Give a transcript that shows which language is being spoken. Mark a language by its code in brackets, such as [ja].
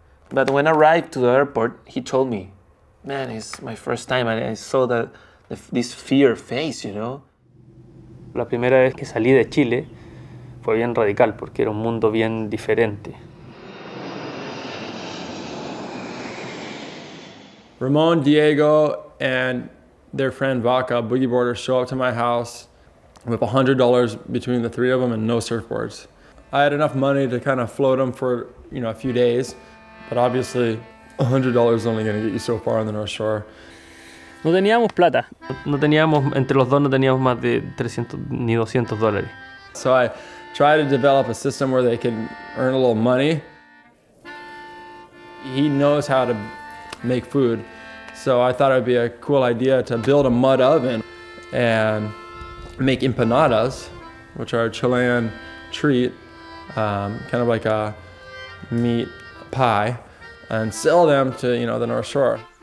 [en] But when I arrived to the airport, he told me, man, it's my first time, and I saw that this fear face, you know? [es] La primera vez que salí de Chile fue bien radical, porque era un mundo bien diferente. [en] Ramon, Diego, and their friend Vaca, Boogie Boarder, show up to my house with $100 between the three of them and no surfboards. I had enough money to kind of float them for, you know, a few days, but obviously $100 is only going to get you so far on the North Shore. [es] No teníamos plata. No teníamos, entre los dos no teníamos más de 300 ni 200 dólares. [en] So I tried to develop a system where they can earn a little money. He knows how to make food, so I thought it would be a cool idea to build a mud oven and make empanadas, which are a Chilean treat, kind of like a meat pie, and sell them to, you know, the North Shore.